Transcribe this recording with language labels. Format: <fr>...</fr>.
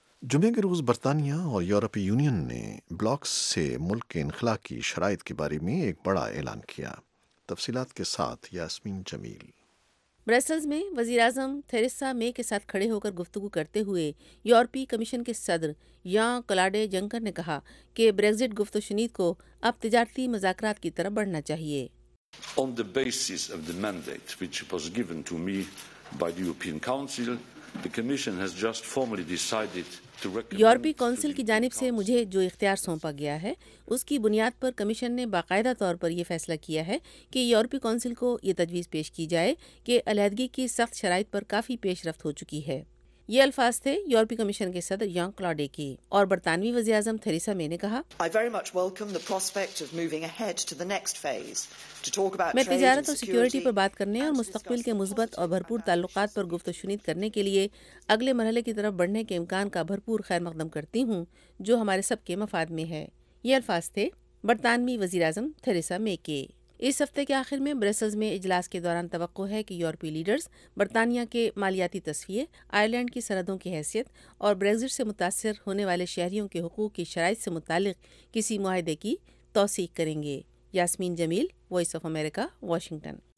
<ur>جمعے کے روز برطانیہ اور یورپی یونین نے بلاکس سے ملک کے انخلا کی شرائط کے بارے میں ایک بڑا اعلان کیا۔ تفصیلات کے ساتھ یاسمین جمیل۔ برسلز میں وزیراعظم تھریسا مے کے ساتھ کھڑے ہو کر گفتگو کرتے ہوئے یورپی کمیشن کے صدر یان کلاڈے جنکر نے کہا کہ بریگزٹ گفت و شنید کو اب تجارتی مذاکرات کی طرف بڑھنا چاہیے۔</ur> <en>On the basis of the mandate which was given to me by the European Council, the Commission has just formally decided to recommend...</en> <ur>یورپی کونسل کی جانب سے مجھے جو اختیار سونپا گیا ہے، اس کی بنیاد پر کمیشن نے باقاعدہ طور پر یہ فیصلہ کیا ہے کہ یورپی کونسل کو یہ تجویز پیش کی جائے کہ علیحدگی کی سخت شرائط پر کافی پیش رفت ہو چکی ہے۔ یہ الفاظ تھے یورپی کمیشن کے صدر یان کلاڈے کی۔ اور برطانوی وزیراعظم تھریسا مے نے کہا،</ur> <en>I very much welcome the prospect of moving ahead to the next phase to talk about</en> <ur>میں تجارت اور سیکیورٹی پر بات کرنے اور مستقبل کے مثبت اور بھرپور تعلقات پر گفت و شنید کرنے کے لیے اگلے مرحلے کی طرف بڑھنے کے امکان کا بھرپور خیر مقدم کرتی ہوں، جو ہمارے سب کے مفاد میں ہے۔ یہ الفاظ تھے برطانوی وزیراعظم تھریسا مے کے۔ اس ہفتے کے آخر میں برسلز میں اجلاس کے دوران توقع ہے کہ یورپی لیڈرز برطانیہ کے مالیاتی تصفیے، آئرلینڈ کی سرحدوں کی حیثیت اور بریگزٹ سے متاثر ہونے والے شہریوں کے حقوق کی شرائط سے متعلق کسی معاہدے کی توثیق کریں گے۔ یاسمین جمیل، وائس آف امریکہ، واشنگٹن۔</ur>